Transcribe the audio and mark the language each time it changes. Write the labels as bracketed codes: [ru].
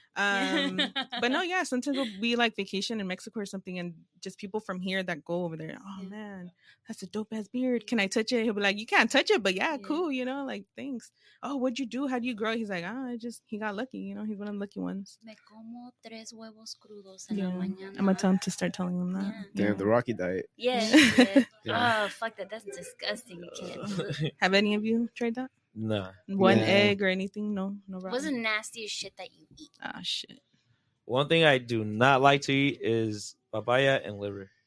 [en] But no, yeah. Sometimes we'll be like vacation in Mexico or something. And just people from here that go over there. Oh, man. That's a dope ass beard. Can I touch it? He'll be like, you can't touch it. But yeah, cool. You know, like, thanks. Oh, what'd you do? How do you grow? He's like, he got lucky. You know, he's one of the lucky ones. [es] Me como tres huevos crudos en la mañana. [en] I'm going to tell him to start telling him that. Yeah. Damn, the Rocky diet. Yeah. Oh, fuck that. That's disgusting. Have any of you tried that? Nah. One egg or anything? No. No. What's the nastiest shit that you eat? Ah, shit. One thing I do not like to eat is papaya and liver.